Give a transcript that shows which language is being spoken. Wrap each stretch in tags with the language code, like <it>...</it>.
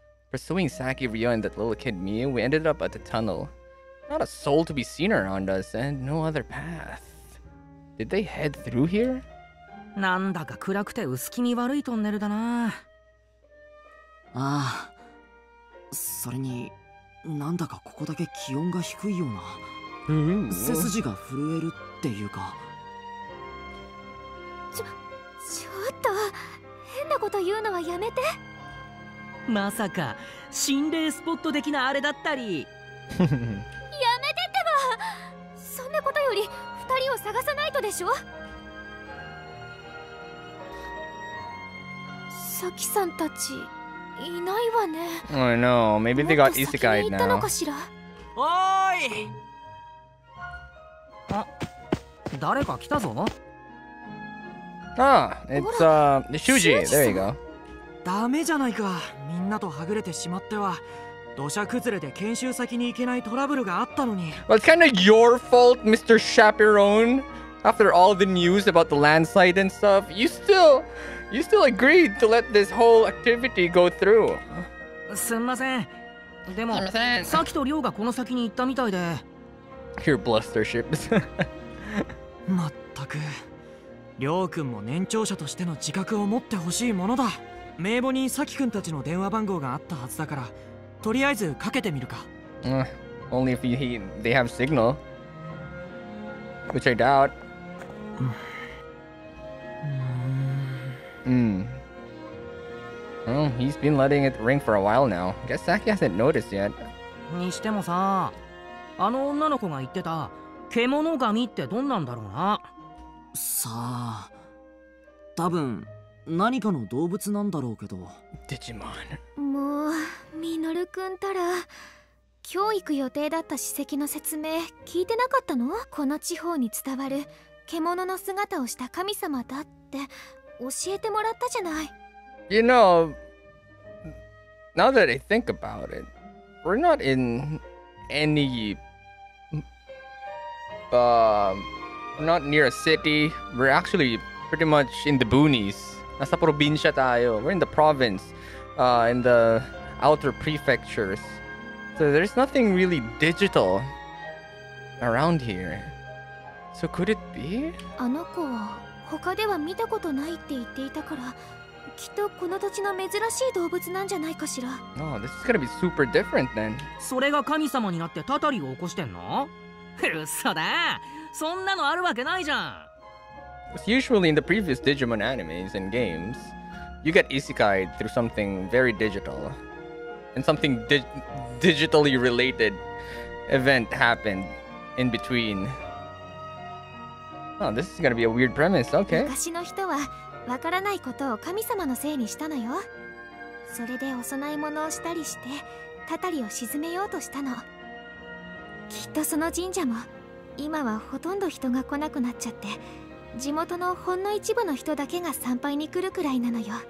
<en>Pursuing Saki, Ryo, and that little kid Miu, we ended up at the tunnel. Not a soul to be seen around us, and no other path. Did they head through here?</en> <ja>なんだか暗くて薄気味悪いトンネルだな。ああ、それに、なんだかここだけ気温が低いような。背筋が震えるっていうか。ちょっと変なこと言うのはやめて。まさか心霊スポット的なあれだったり。やめてってば。そんなことより二人を探さないとでしょ。サキさんたちいないわね。</ja> <en>I know. Maybe they got isekai'd now.</en> <ja>おーい、誰か来たぞ。</ja> <en>ああ、it's Shuji. There you go.</en> <ja>ダメじゃないか。みんなとはぐれてしまっては。土砂崩れで研修先に行けないトラブルがあったのに。</ja> <en>Well, it's kind of your fault, Mr. Chaperone. After all the news about the landslide and stuff, you still agreed to let this whole activity go through.</en> <ja>すんません。でも、さっきとリョウがこの先に行ったみたいで。</ja> <en>Your blusterships.</en> <ja>まったく。リョウ君も年長者としての自覚を持ってほしいものだ。名簿にサキ君たちの電話番号があったはずだから、とりあえずかけてみるか。</ja> <en>Only if they have signal. Which I doubt. Oh, he's been letting it ring for a while now. Guess Saki hasn't noticed yet.</en> <ja>にしてもさ、あの女の子が言ってた獣神ってどんなんだろうな。さあ、多分何かの動物なんだろうけど。デジモン。もう、ミノル君たら、今日行く予定だった史跡の説明聞いてなかったの？この地方に伝わる獣の姿をした神様だって教えてもらったじゃない。</ja> <en>You know, now that I think about it, we're not in any, we're not near a city. We're actually pretty much in the boonies.</en> <tl>Nasa probinsya tayo.</tl> <en>We're in the province, in the outer prefectures. So there's nothing really digital around here. So could it be?</en> <ja>あの子は他では見たことないって言っていたから。きっとこの土地の珍しい動物なんじゃないかしら。</ja> <en>Oh, this is gonna be super different then.</en> <ja>それが神様になってタタリを起こしてんの？うそだ。そんなのあるわけないじゃん。</ja> <en>It's usually in the previous Digimon animes and games, you get isekai through something very digital, and something digitally related event happened in between. Oh, this is gonna be a weird premise. Okay.</en> <ja>昔の人は。わからないことを神様のせいにしたのよ。それでお供え物をしたりして、たたりを沈めようとしたの。きっとその神社も、今はほとんど人が来なくなっちゃって、地元のほんの一部の人だけが参拝に来るくらいなのよ。</ja>